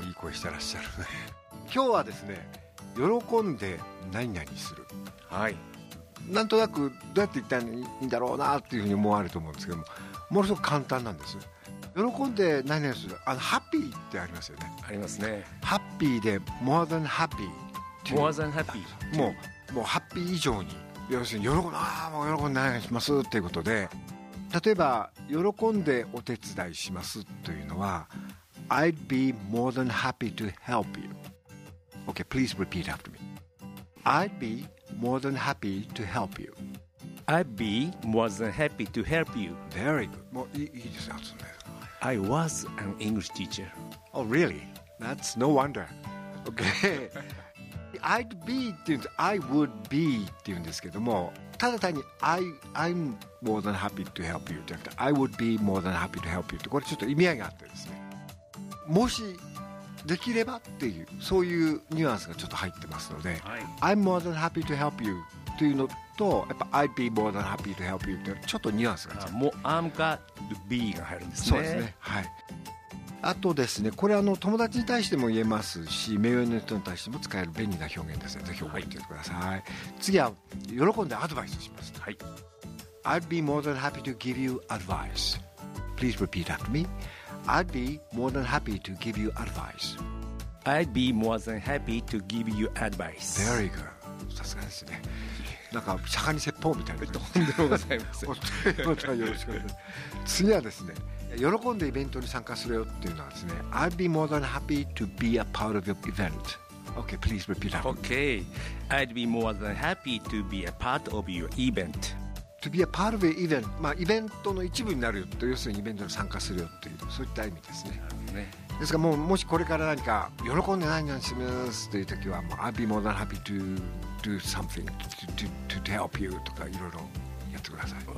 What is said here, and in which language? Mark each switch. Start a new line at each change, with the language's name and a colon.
Japanese: あ、いい声してらっしゃるね。今日はですね、喜んで何々する、はい、なんとなくどうやって言ったらいいんだろうなっていうふうに思われると思うんですけども、ものすごく簡単なんです。喜んで何々する、あのハッピーってありますよね。ありますね。
English: ハッピーで more than happy、 more than happy、
Japanese: もうハッピー以上に、要するに喜んで、喜んで何々しますっていうことで、例えば喜んでお手伝いしますというのは
English: I'd be more than happy to help you。 OK, please repeat after me. I'd be more than happy to help you. I'd be more than happy to help you. Very good.
Japanese: もういいですよ、ね、
English: I was an English teacher. Oh really? That's no wonder. OK. I'd be
Japanese: っていうんです、
English: I would be
Japanese: っていうんですけども、ただ単に
English: I'm more than happy to help you
Japanese: じゃなくて
English: I would be more than happy to help you
Japanese: って、これちょっと意味合いがあってですね、もしできればっていう、そういうニュアンスがちょっと入ってますので、はい、I'm more than happy to help you っていうのと、やっぱ
English: I'd be more than happy to help you
Japanese: っていうのはちょっとニュアンスが違う。もう I'm か be が入るんですね。そうですね、はい。あとですね、これあの友達に対しても言えますし、目上の人に対しても使える便利な表現ですね。ぜひ覚えておいてください、はい、次は喜んでアドバイスします、はい、
English: I'd be more than happy to give you advice. Please repeat after me. I'd be more than happy to give you advice. I'd be more than happy to give you advice. Very good.
Japanese: さすがですね、なんか釈迦に説法みたいな。とんでもございません。お手元はよろしくお願いします。次はですね、喜んでイベントに参加するよっていうのはですね、
English: I'd be more than happy to be a part of your event. Okay, please repeat after me. Okay, I'd be more than happy to be a part of your event. To be a part of your event、
Japanese: まあ、イベントの一部になるよと、要するにイベントに参加するよっていう、そういった意味ですね。ですが、もうもしこれから何か喜んで何々しますという時は、もう
English: I'd be more than happy to do something to help you
Japanese: とか、いろいろやってください。